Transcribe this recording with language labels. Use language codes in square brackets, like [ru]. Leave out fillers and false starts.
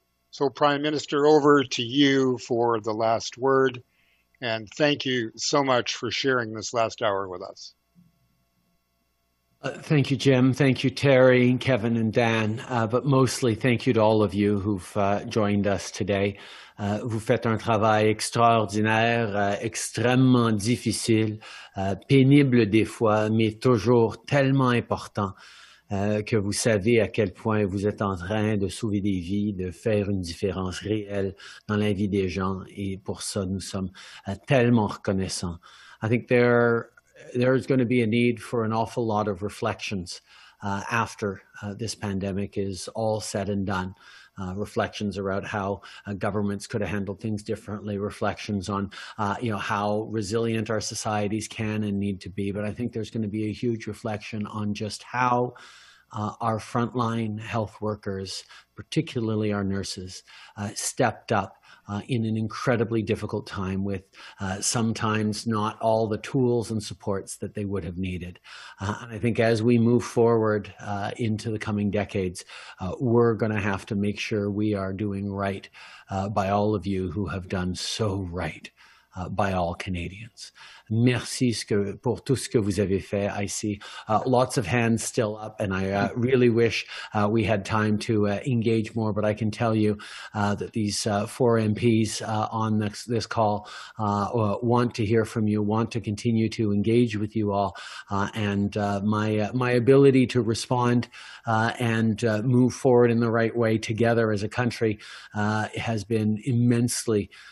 [en] So, Prime Minister, over to you for the last word, and thank you so much for sharing this last hour with us. Thank you, Jim. Thank you, Terry, Kevin, and Dan. But mostly, thank you to all of you who've joined us today. [fr] Vous faites un travail extraordinaire, extrêmement difficile, pénible des fois, mais toujours tellement important que vous savez à quel point vous êtes en train de sauver des vies, de faire une différence réelle dans la vie des gens. Et pour ça, nous sommes tellement reconnaissants. [en] I think there's going to be a need for an awful lot of reflections after this pandemic is all said and done. Reflections around how governments could have handled things differently, reflections on how resilient our societies can and need to be. But I think there's going to be a huge reflection on just how our frontline health workers, particularly our nurses, stepped up in an incredibly difficult time with sometimes not all the tools and supports that they would have needed. And I think as we move forward into the coming decades, we're going to have to make sure we are doing right by all of you who have done so right by all Canadians. [fr] Merci pour tout ce que vous avez fait. [en] I see lots of hands still up, and I really wish we had time to engage more, but I can tell you that these four MPs on this call want to hear from you, want to continue to engage with you all, and my ability to respond and move forward in the right way together as a country has been immensely